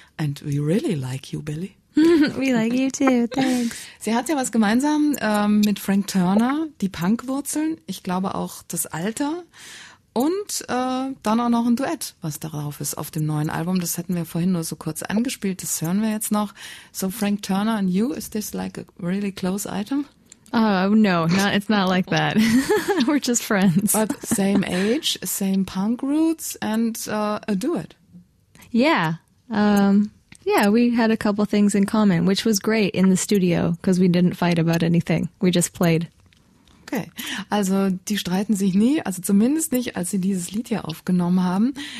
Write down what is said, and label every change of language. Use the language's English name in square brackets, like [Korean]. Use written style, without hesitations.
[English] And we really like you, Billy. We like you too, thanks. [German] Sie hat ja was gemeinsam mit Frank Turner, die Punkwurzeln, ich glaube auch das Alter. Und dann auch noch ein Duett, was darauf ist, auf dem neuen Album. Das hatten wir vorhin nur so kurz angespielt, das hören wir jetzt noch. [English] So Frank Turner and you, is this like a really close item? Oh, it's not like that. We're just friends. But same age, same punk roots, and a duet. Yeah. Yeah, we had a couple things in common, which was great in the studio, because we didn't fight about anything. We just played. [German] Okay, also die streiten sich nie, also zumindest nicht, als sie dieses Lied hier aufgenommen haben.